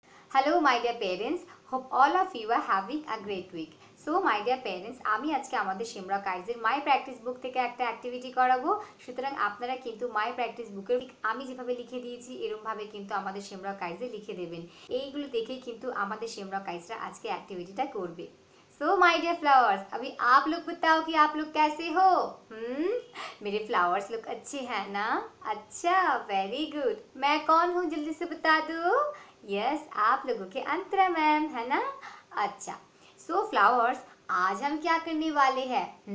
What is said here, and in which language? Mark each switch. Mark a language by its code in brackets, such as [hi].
[en] Hello my dear parents, hope all of you are having a great week. So my dear parents, [bn] আমি আজকে আমাদের শিমরা কাইজের মাই practice বুক থেকে একটা activity করাবো। সুতরাং আপনারা কিন্তু মাই প্র্যাকটিস বুকের আমি যেভাবে লিখে দিয়েছি এরকম ভাবে কিন্তু আমাদের শিমরা কাইজে লিখে দেবেন। এইগুলো দেখে কিন্তু আমাদের শিমরা কাইজরা আজকে অ্যাক্টিভিটিটা করবে। [en] so my dear flowers, [hi] अभी आप लोग बताओ कि आप लोग कैसे हो। मेरे फ्लावर्स लोग अच्छे हैं ना? अच्छा, [en] Very good. [hi] मैं कौन हूँ जल्दी से बता दो? यस, आप लोगों के अंतरा मैम है ना। अच्छा, [en] so flowers, [hi] आज हम क्या करने वाले हैं?